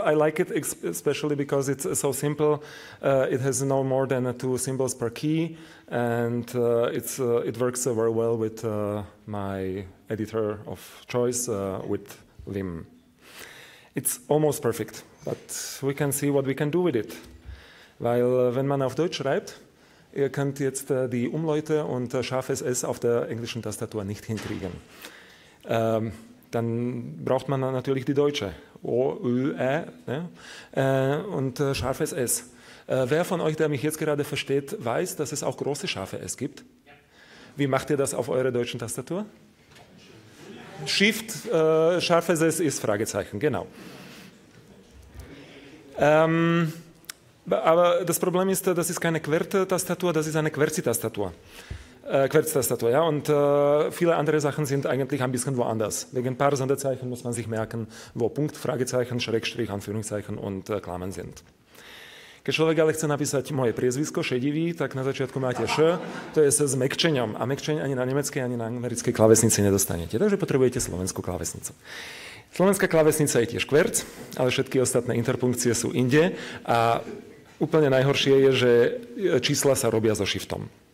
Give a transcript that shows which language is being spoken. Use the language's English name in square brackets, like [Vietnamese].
[English] I like it especially because it's so simple. It has no more than two symbols per key, and it works very well with my editor of choice, with Vim. It's almost perfect, but we can see what we can do with it. [German] Weil wenn man auf Deutsch schreibt, ihr könnt jetzt die Umlaute und scharfes S auf der englischen Tastatur nicht hinkriegen. Dann braucht man natürlich die deutsche. O, Ö, Ä, ne? Und scharfes S. Wer von euch, der mich jetzt gerade versteht, weiß, dass es auch große scharfe S gibt? Ja. Wie macht ihr das auf eurer deutschen Tastatur? Shift, scharfes S ist Fragezeichen, genau. Aber das Problem ist, das ist keine QWERTY-Tastatur, das ist eine QWERTY-Tastatur. QWERTY-Tastatur, ja, und viele andere Sachen sind eigentlich ein bisschen woanders. Wegen ein paar Sonderzeichen muss man sich merken, wo Punkt, Fragezeichen, Schrägstrich, Anführungszeichen und Klammern sind. [Slovak] Keď človek ale chce napísať moje priezvisko, Šedivý, tak na začiatku máte Š, to je s mekčeňom. A mekčeň ani na nemeckej, ani na americkej klavesnici nedostanete. Takže potrebujete slovenskú klavesnicu. Slovenská klavesnica je tiež kverc, ale všetky ostatné interpunkcie sú inde. A úplne najhoršie je, že čísla sa robia so shiftom.